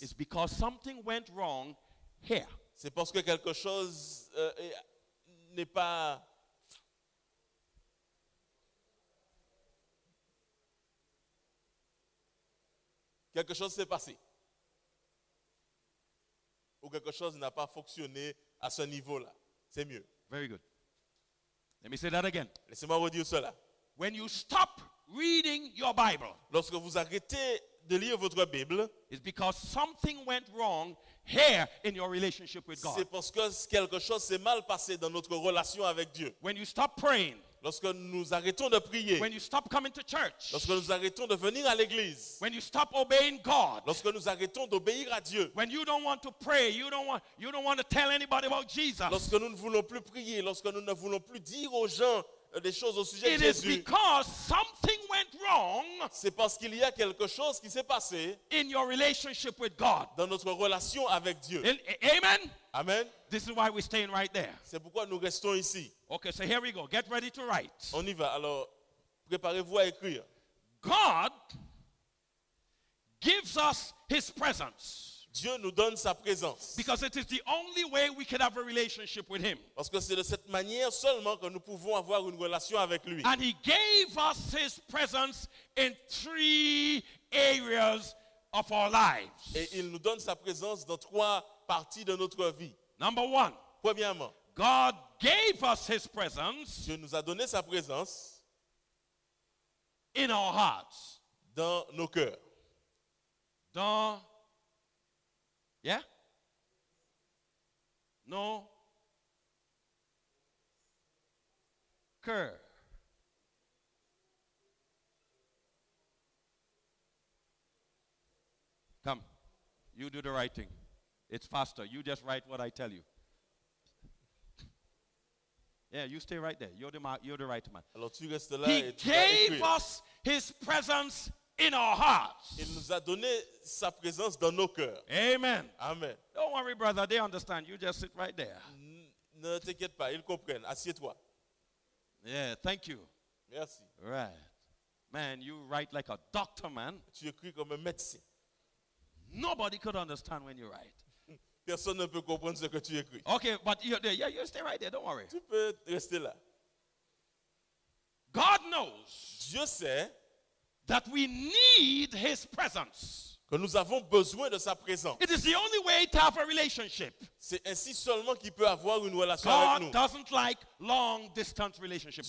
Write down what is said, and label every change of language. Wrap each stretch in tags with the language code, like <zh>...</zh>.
<en>it's because something went wrong here.</en> <fr>C'est parce que quelque chose n'est pas. Quelque chose s'est passé. Ou quelque chose n'a pas fonctionné à ce niveau-là. C'est mieux.</fr> <en>Very good. Let me say that again.</en> <fr>Laissez-moi redire cela.</fr> <en>When you stop reading your Bible,</en> <fr>lorsque vous arrêtez de lire votre Bible,</fr> <en>it's because something went wrong here in your relationship with God.</en> <fr>C'est parce que quelque chose s'est mal passé dans notre relation avec Dieu.</fr> <en>When you stop praying,</en> <fr>lorsque nous arrêtons de prier,</fr> <en>when you stop coming to church,</en> <fr>lorsque nous arrêtons de venir à l'église,</fr> <en>when you stop obeying God,</en> <fr>lorsque nous arrêtons d'obéir à Dieu,</fr> <en>when you don't want to pray, you don't want to tell anybody about Jesus,</en> <fr>lorsque nous ne voulons plus prier, lorsque nous ne voulons plus dire aux gens des choses au sujet</fr> <en>it</en> <fr>de Jésus,</fr> <en>is because something went wrong.</en> <fr>C'est parce qu'il y a quelque chose qui s'est passé</fr> <en>in your relationship with God.</en> <fr>Dans notre relation avec Dieu.</fr> <en>Amen.</en> <fr>Amen.</fr> <en>This is why we're staying right there.</en> <fr>C'est pourquoi nous restons ici.</fr> <en>Okay, so here we go. Get ready to write.</en> <fr>On y va. Alors, préparez-vous à écrire.</fr> <en>God gives us His presence.</en> <fr>Dieu nous donne sa présence.</fr> <en>Because it is the only way we can have a relationship with Him.</en> <fr>Parce que c'est de cette manière seulement que nous pouvons avoir une relation avec lui.</fr> <en>And He gave us His presence in three areas of our lives.</en> <fr>Et il nous donne sa présence dans trois parties de notre vie.</fr> <en>Number one.</en> <fr>Premièrement.</fr> <en>God gave us His presence.</en> <fr>Dieu nous a donné sa présence.</fr> <en>In our hearts.</en> <fr>Dans nos cœurs. Dans. Yeah?</fr> <en>No.</en> <fr>Cœur.</fr> <en>Come. You do the writing. It's faster. You just write what I tell you. Yeah, you stay right there. You're the right man.</en> <fr>Alors, tu restes</fr> <en>là. He gave us His presence in our hearts.</en> <fr>Il nous a donné sa présence dans nos cœurs.</fr> <en>Amen.</en> <fr>Amen.</fr> <en>Don't worry, brother. They understand. You just sit right there.</en> <fr>Ne t'inquiète pas. Ils comprennent. Assieds-toi.</fr> <en>Yeah, thank you.</en> <fr>Merci.</fr> <en>Right. Man, you write like a doctor, man.</en> <fr>Tu écris comme un médecin.</fr> <en>Nobody could understand when you write.</en> <fr>Personne ne peut comprendre ce que tu écris.</fr> <en>Okay, but you're there. Yeah, you stay right there. Don't worry.</en> <fr>Tu peux rester là.</fr> <en>God knows.</en> <fr>Dieu sait.</fr> <en>That we need His presence.</en> <fr>Que nous avons besoin de sa présence.</fr> <en>It is the only way to have a relationship.</en> <fr>C'est ainsi seulement qu'il peut avoir une relation</fr> <en>God</en> <fr>avec nous.</fr> <en>God doesn't like long distance relationships.</en>